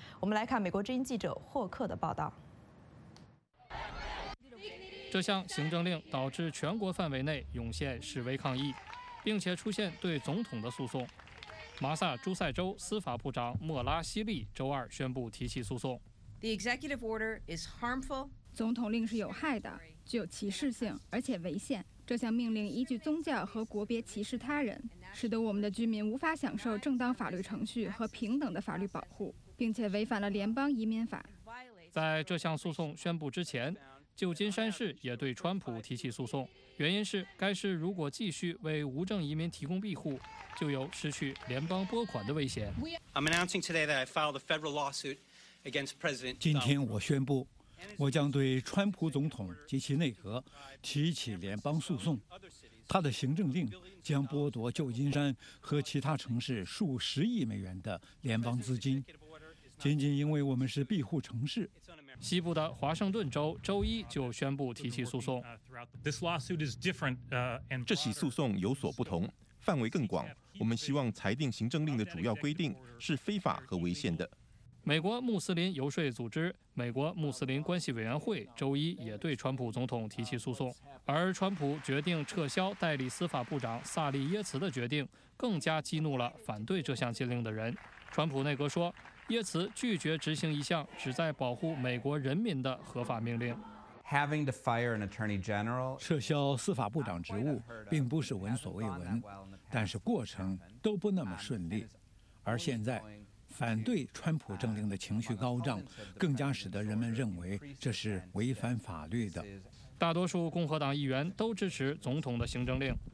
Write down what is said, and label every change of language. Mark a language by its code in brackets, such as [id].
[zh] 我们来看美国之音记者霍克的报道。这项行政令导致全国范围内涌现示威抗议，并且出现对总统的诉讼。马萨诸塞州司法部长莫拉西利周二宣布提起诉讼。 [en] The executive order is harmful. [zh] 总统令是有害的，具有歧视性，而且违宪。这项命令依据宗教和国别歧视他人，使得我们的居民无法享受正当法律程序和平等的法律保护，并且违反了联邦移民法。在这项诉讼宣布之前，旧金山市也对川普提起诉讼，原因是该市如果继续为无证移民提供庇护，就有失去联邦拨款的危险。 [en] I'm announcing today that I filed a federal lawsuit against President. [zh] 今天我宣布，我将对川普总统及其内阁提起联邦诉讼，他的行政令将剥夺旧金山和其他城市数十亿美元的联邦资金，仅仅因为我们是庇护城市。西部的华盛顿州周一就宣布提起诉讼。这起诉讼有所不同，范围更广，我们希望裁定行政令的主要规定是非法和违宪的。美国穆斯林游说组织美国穆斯林关系委员会周一也对川普总统提起诉讼，而川普决定撤销代理司法部长萨利耶茨的决定更加激怒了反对这项禁令的人。川普内阁说，耶茨拒绝执行一项旨在保护美国人民的合法命令。 [en] Having to fire an attorney general, [zh] 撤销司法部长职务并不是闻所未闻，但是过程都不那么顺利，而现在反对川普政令的情绪高涨，更加使得人们认为这是违反法律的。大多数共和党议员都支持总统的行政令。